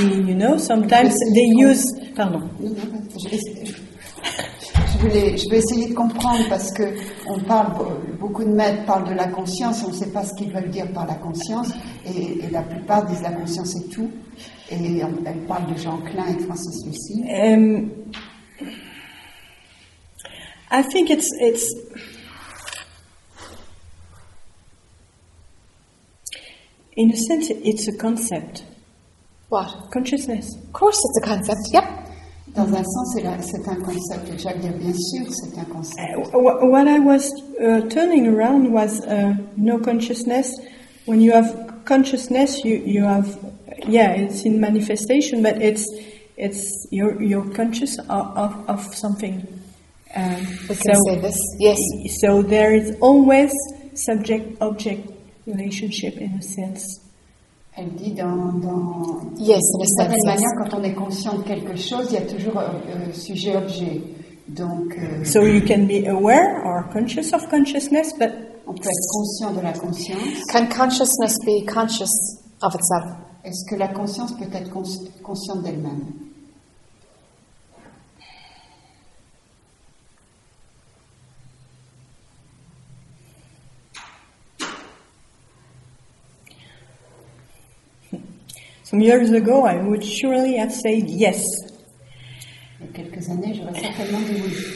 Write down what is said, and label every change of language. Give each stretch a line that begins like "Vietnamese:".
English: You know, sometimes they use.
French: Pardon. Je vais essayer de comprendre parce que on parle, beaucoup de maîtres parlent de la conscience, on ne sait pas ce qu'ils veulent dire par la conscience, et la plupart disent la conscience est tout, et elles parlent de Jean Klein et Francis Lucille.
English: I think it's in a sense it's a concept. What? Consciousness. Of course it's a concept, yep.
French: Dans un sens, c'est un concept. Jacques dit bien sûr, c'est un concept.
English: What I was turning around was no consciousness. When you have consciousness, you have, yeah, it's in manifestation, but it's you're conscious of something. We can say this. Yes. So there is always subject object relationship in a sense.
French: Elle dit dans
English: yes,
French: d'une certaine manière, quand on est conscient de quelque chose, il y a toujours sujet-objet. Donc,
English: so you can be aware or conscious of consciousness, but
French: on peut être conscient de la conscience.
English: Can consciousness be conscious of itself?
French: Est-ce que la conscience peut être consciente d'elle-même?
English: Some years ago, I would surely have said yes.
French: Quelques années, j'aurais certainement dit oui.